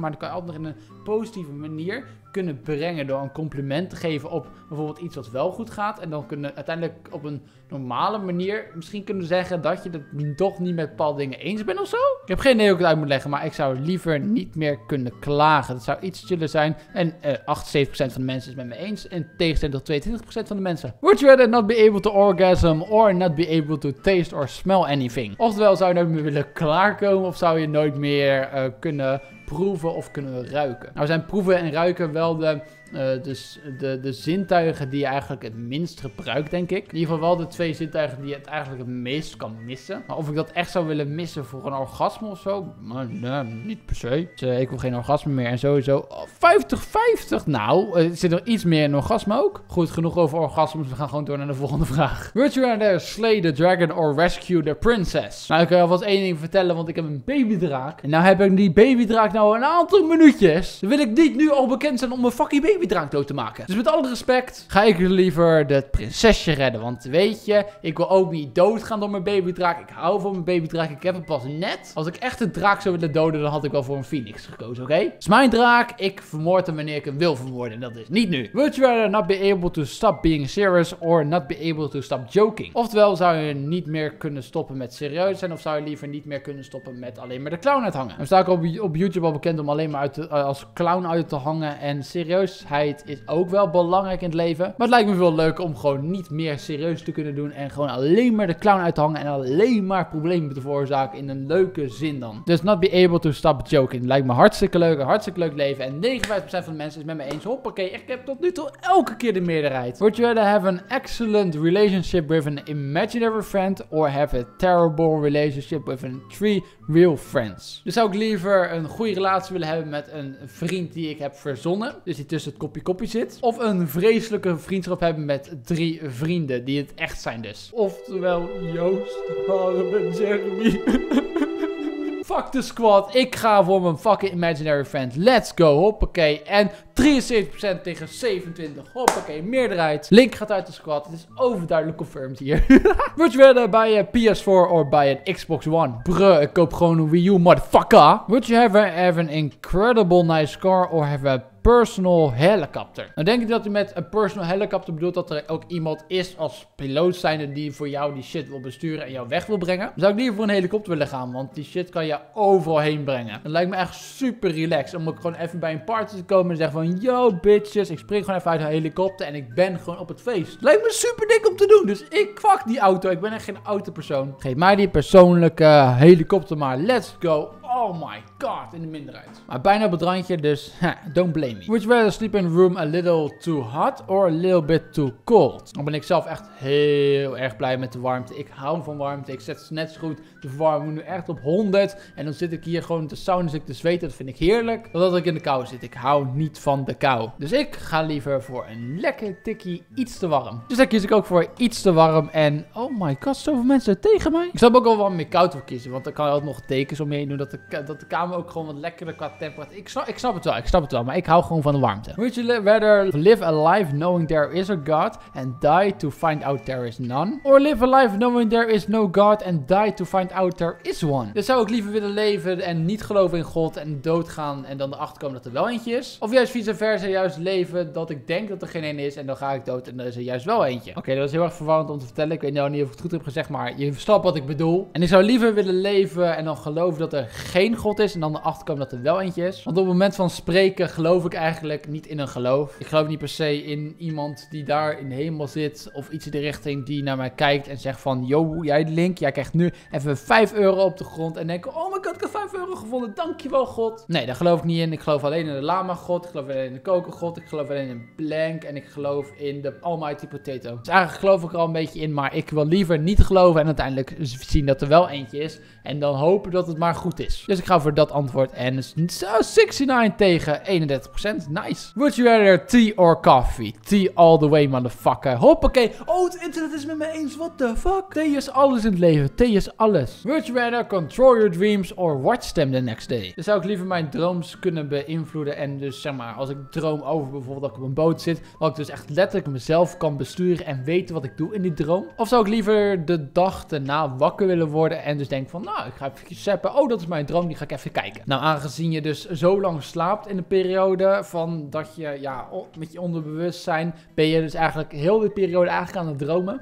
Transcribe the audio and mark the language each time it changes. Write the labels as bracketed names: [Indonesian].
[Dutch] Maar dan kan je altijd in een positieve manier kunnen brengen door een compliment te geven op bijvoorbeeld iets wat wel goed gaat. En dan kunnen uiteindelijk op een normale manier misschien kunnen zeggen dat je het toch niet met bepaalde dingen eens bent of zo. Ik heb geen idee hoe ik het uit moet leggen, maar ik zou liever niet meer kunnen klagen. Dat zou iets chiller zijn. En 78% van de mensen is met me eens. En tegenstelling tot 22% van de mensen. [English] Would you rather not be able to orgasm or not be able to taste or smell anything? [Dutch] Oftewel, zou je nooit meer willen klaarkomen of zou je nooit meer kunnen proeven of kunnen ruiken? Nou zijn proeven en ruiken wel de zintuigen die je eigenlijk het minst gebruikt, denk ik. In ieder geval wel de twee zintuigen die je het eigenlijk het meest kan missen. Maar of ik dat echt zou willen missen voor een orgasme of zo? Nee, niet per se. Dus, ik wil geen orgasme meer en sowieso. Oh, 50-50? Nou, er zit nog iets meer in orgasme ook. Goed genoeg over orgasmes, we gaan gewoon door naar de volgende vraag. [English] Would you rather slay the dragon or rescue the princess? [Dutch] Nou, ik kan je alvast één ding vertellen, want ik heb een babydraak. En nou heb ik die babydraak nou een aantal minuutjes. Dan wil ik niet nu al bekend zijn om mijn fucking babydraak dood te maken. Dus met alle respect ga ik liever het prinsesje redden. Want weet je, ik wil ook niet doodgaan door mijn babydraak. Ik hou van mijn babydraak. Ik heb hem pas net. Als ik echt een draak zou willen doden, dan had ik wel voor een phoenix gekozen, oké? Okay? Het is mijn draak. Ik vermoord hem wanneer ik hem wil vermoorden. En dat is niet nu. [English] Would you rather not be able to stop being serious or not be able to stop joking? [Dutch] Oftewel, zou je niet meer kunnen stoppen met serieus zijn of zou je liever niet meer kunnen stoppen met alleen maar de clown uithangen? Dan sta ik op YouTube al bekend om alleen maar als clown uit te hangen en serieus is ook wel belangrijk in het leven. Maar het lijkt me veel leuker om gewoon niet meer serieus te kunnen doen en gewoon alleen maar de clown uit te hangen en alleen maar problemen te veroorzaken in een leuke zin dan. Dus [English] not be able to stop joking. [Dutch] Lijkt me hartstikke leuk. Een hartstikke leuk leven. En 59% van de mensen is met me eens. Hoppakee, ik heb tot nu toe elke keer de meerderheid. [English] Would you rather have an excellent relationship with an imaginary friend or have a terrible relationship with three real friends? [Dutch] Dus zou ik liever een goede relatie willen hebben met een vriend die ik heb verzonnen. Dus die tussen het kopje zit. Of een vreselijke vriendschap hebben met drie vrienden die het echt zijn dus. Oftewel Joost, Harm en Jeremy. [English] Fuck the squad. [Dutch] Ik ga voor mijn fucking [English] imaginary friend. Let's go. [Dutch] Hoppakee. En 73% tegen 27. Hoppakee. Meerderheid. Link gaat uit de squad. Het is overduidelijk confirmed hier. [English] Would you rather buy a PS4 or buy an Xbox One? [Dutch] Bruh, ik koop gewoon een Wii U, motherfucker. [English] Would you ever have an incredible nice car or have a personal helicopter? [Dutch] Dan denk ik dat u met een personal helicopter bedoelt dat er ook iemand is als piloot zijnde die voor jou die shit wil besturen en jou weg wil brengen. Dan zou ik liever voor een helikopter willen gaan, want die shit kan je overal heen brengen. Het lijkt me echt super relaxed om ook gewoon even bij een party te komen en zeggen van, [English] yo bitches, [Dutch] ik spring gewoon even uit een helikopter en ik ben gewoon op het feest. Lijkt me super dik om te doen, dus ik fuck die auto. Ik ben echt geen autopersoon. Geef mij die persoonlijke helikopter maar. [English] Let's go. Oh my god, [Dutch] in de minderheid. Maar bijna op het randje, dus [English] don't blame me. Would you rather sleep in a room a little too hot or a little bit too cold? [Dutch] Dan ben ik zelf echt heel erg blij met de warmte. Ik hou van warmte. Ik zet net zo goed de verwarming nu echt op 100. En dan zit ik hier gewoon te sauna, zit ik te zweten. Dat vind ik heerlijk. Omdat ik in de kou zit. Ik hou niet van de kou. Dus ik ga liever voor een lekker tikkie iets te warm. Dus daar kies ik ook voor iets te warm. En [English] oh my god, [Dutch] zoveel mensen tegen mij. Ik snap ook wel wat meer koud voor kiezen. Want dan kan je altijd nog tekens omheen doen dat de kamer ook gewoon wat lekkerder qua temperatuur. Ik snap het wel. Maar ik hou gewoon van de warmte. [English] Would you rather live a life knowing there is a God and die to find out there is none? Or live a life knowing there is no God and die to find out there is one? [Dutch] Dus zou ik liever willen leven en niet geloven in God en doodgaan en dan erachter komen dat er wel eentje is? Of juist vice versa, juist leven dat ik denk dat er geen een is en dan ga ik dood en dan is er juist wel eentje. Oké, dat is heel erg verwarrend om te vertellen. Ik weet nou niet of ik het goed heb gezegd, maar je snapt wat ik bedoel. En ik zou liever willen leven en dan geloven dat er geen God is en dan erachter komen dat er wel eentje is. Want op het moment van spreken geloof ik eigenlijk niet in een geloof. Ik geloof niet per se in iemand die daar in de hemel zit of iets in de richting die naar mij kijkt en zegt van, yo, jij Link, jij krijgt nu even 5 euro op de grond en denk, [English] oh my god, [Dutch] ik heb 5 euro gevonden, dankjewel God. Nee, daar geloof ik niet in. Ik geloof alleen in de lama God, ik geloof alleen in de koken God, ik geloof alleen in Blank en ik geloof in de [English] almighty potato. [Dutch] Dus eigenlijk geloof ik er al een beetje in, maar ik wil liever niet geloven en uiteindelijk zien dat er wel eentje is en dan hopen dat het maar goed is. Dus ik ga voor dat dat antwoord. En zo 69 tegen 31%. Nice. [English] Would you rather tea or coffee? Tea all the way, motherfucker. Hoppakee. [Dutch] Oh, het internet is met me eens. [English] What the fuck? [Dutch] Tea is alles in het leven. Tea is alles. [English] Would you rather control your dreams or watch them the next day? [Dutch] Dan zou ik liever mijn dromen kunnen beïnvloeden. En dus zeg maar, als ik droom over bijvoorbeeld dat ik op een boot zit. Dat ik dus echt letterlijk mezelf kan besturen en weten wat ik doe in die droom. Of zou ik liever de dag erna wakker willen worden. En dus denk van, nou, ik ga even zappen. Oh, dat is mijn droom. Die ga ik even kijken. Nou, aangezien je dus zo lang slaapt in de periode van dat je, ja, met je onderbewustzijn, ben je dus eigenlijk heel de periode eigenlijk aan het dromen.